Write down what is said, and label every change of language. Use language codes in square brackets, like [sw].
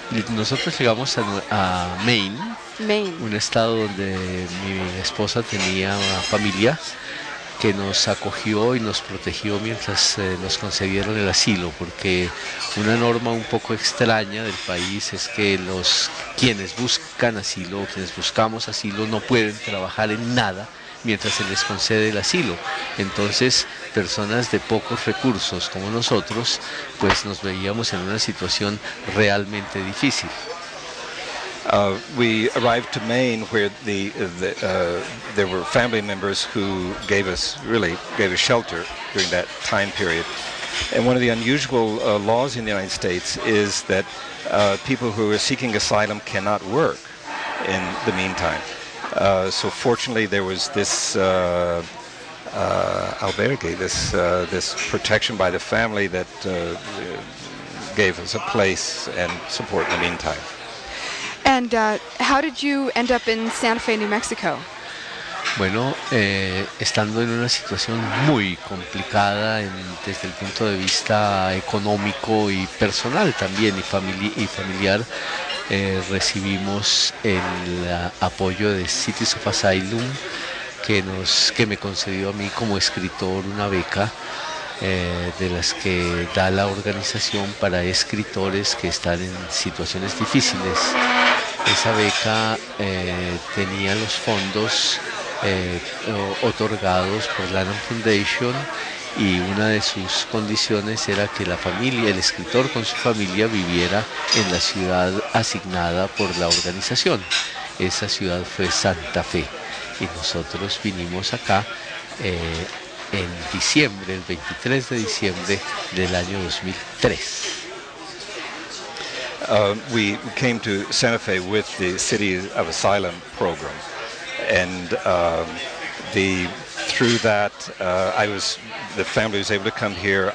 [es] Nosotros llegamos a Maine, un estado donde mi esposa tenía una familia que nos acogió y nos protegió mientras nos concedieron el asilo, porque una norma un poco extraña del país es que quienes buscan asilo, quienes buscamos asilo, no pueden trabajar en nada mientras se les concede el asilo. Entonces, personas de pocos recursos como nosotros, pues nos veíamos en una situación realmente difícil. [en] We arrived to Maine, where there were family members who gave us shelter during that time period. And one of the unusual laws in the United States is that people who are seeking asylum cannot work in the meantime. So fortunately, there was this albergue, this this protection by the family that gave us a place and support in the meantime. And how did you end up in Santa Fe, New Mexico? [es] Bueno, estando en una situación muy complicada en, desde el punto de vista económico y personal también y, familiar, recibimos el apoyo de Cities of Asylum, que nos que me concedió a mí como escritor una beca de las que da la organización para escritores que están en situaciones difíciles. Esa beca tenía los fondos otorgados por Lanham Foundation y una de sus condiciones era que la familia, el escritor con su familia viviera en la ciudad asignada por la organización. Esa ciudad fue Santa Fe y nosotros vinimos acá en diciembre, el 23 de diciembre del año 2003. [en] We came to Santa Fe with the City of Asylum program. And the through that, I was the family was able to come here.